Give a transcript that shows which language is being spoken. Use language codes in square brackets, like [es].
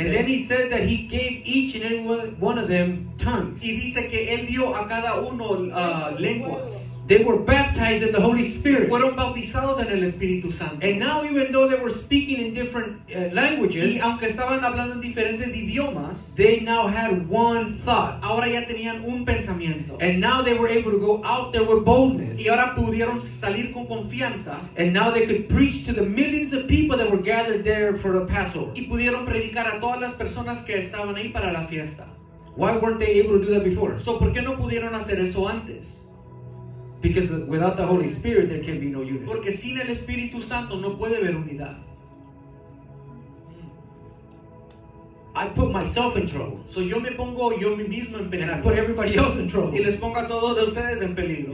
[en] And then he said that he gave each and every one of them tongues. [es] Y dice que él dio a cada uno lenguas. [en] They were baptized in the Holy Spirit. [es] Fueron bautizados en el Espíritu Santo. [en] And now even though they were speaking in different languages. [es] Y aunque estaban hablando en diferentes idiomas. [en] They now had one thought. [es] Ahora ya tenían un pensamiento. [en] And now they were able to go out there with boldness. [es] Y ahora pudieron salir con confianza. [en] And now they could preach to the millions of people that were gathered there for the Passover. [es] Y pudieron predicar a todas las personas que estaban ahí para la fiesta. [en] Why weren't they able to do that before? [es] So, ¿por qué no pudieron hacer eso antes? [en] Because without the Holy Spirit, there can be no unity. [es] Porque sin el Espíritu Santo no puede haber unidad. [en] I put myself in trouble. [es] So yo me pongo yo mismo en peligro. [en] And I put everybody else in trouble. [es] Y les pongo a todos de ustedes en peligro.